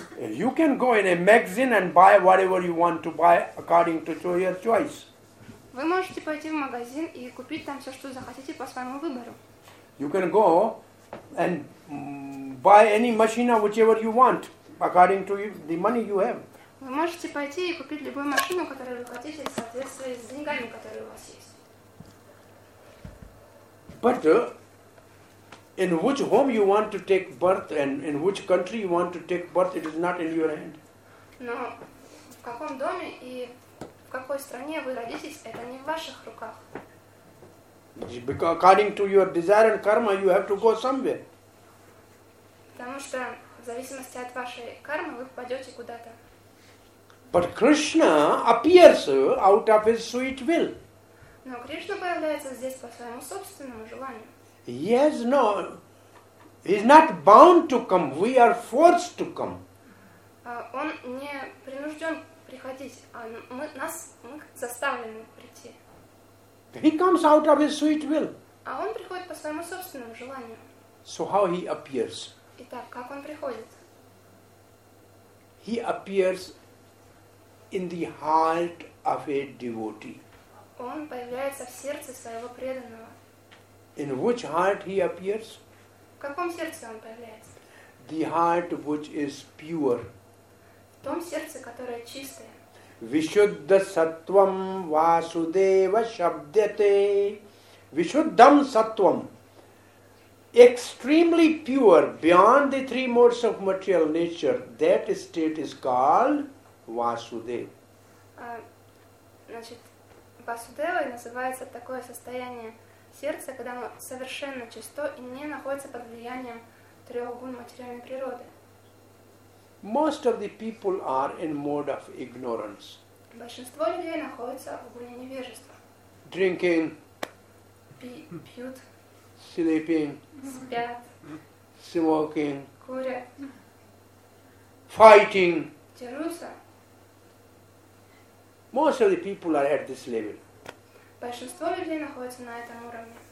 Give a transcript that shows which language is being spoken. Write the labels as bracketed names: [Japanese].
[English] You can go in a magazine and buy whatever you want to buy according to your choice. [Russian] Вы можете пойти в магазин и купить там все, что захотите по своему выбору. [English] You can go and buy any machine or whichever you want according to the money you have. [Russian] Вы можете пойти и купить любую машину, которую вы хотите, в соответствии с деньгами, которые у вас есть. [English] But in which home you want to take birth and in which country you want to take birth, it is not in your hand. [Russian] Но в каком доме и в какой стране вы родитесь, это не в ваших руках. [English] Because according to your desire and karma, you have to go somewhere. [Russian] Потому что в зависимости от вашей кармы вы попадете куда-то. [English] But Krishna appears out of his sweet will. [Russian] Но Кришна появляется здесь по своему собственному желанию. [English] Yes, no. He's not bound to come. We are forced to come. [Russian] Он не принужден приходить, а мы заставлены прийти. [English] He comes out of his sweet will. [Russian] А он приходит по своему собственному желанию. [English] So how he appears? [Russian] Итак, как он приходит? [English] He appears in the heart of a devotee. [Russian] Он появляется в сердце своего преданного. [English] In which heart he appears? [Russian] В каком сердце он появляется? [English] The heart which is pure. [Russian] В том сердце, которое чистое. [Sanskrit] Вишуддха саттвам васудева шабдете. Вишуддхам саттвам. [English] Extremely pure, beyond the three modes of material nature, that state is called Vasudev. [Russian] Значит, Васудевой называется такое состояние сердца, когда оно совершенно чисто и не находится под влиянием трех гун материальной природы. [English] Most of the people are in mode of ignorance. [Russian] Большинство людей находится в гуне невежества. [English] Drinking. [Russian] Пьют. [English] Sleeping. [Russian] Спят. [English] Smoking. [Russian] Курят. [English] Fighting. [Russian] Дерутся. [English] Most of the people are at this level. [Russian] Большинство людей находится на этом уровне.